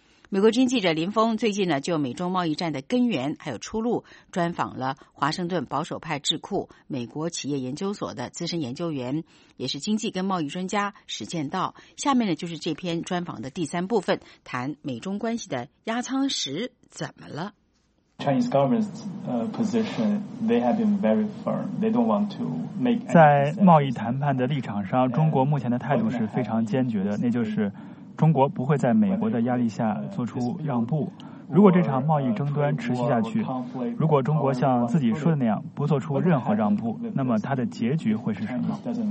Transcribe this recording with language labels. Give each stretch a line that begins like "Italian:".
Chinese: 美国之音记者林峰最近呢，就美中贸易战的根源还有出路专访了华盛顿保守派智库美国企业研究所的资深研究员，也是经济跟贸易专家史建道。下面呢，就是这篇专访的第三部分，谈美中关系的压舱石怎么了。
English: Chinese government's position, they have been very firm. They don't want to make.
Chinese: 在贸易谈判的立场上，中国目前的态度是非常坚决的，那就是中国不会在美国的压力下做出让步。如果这场贸易争端持续下去，如果中国像自己说的那样不做出任何让步，那么它的结局会是什么？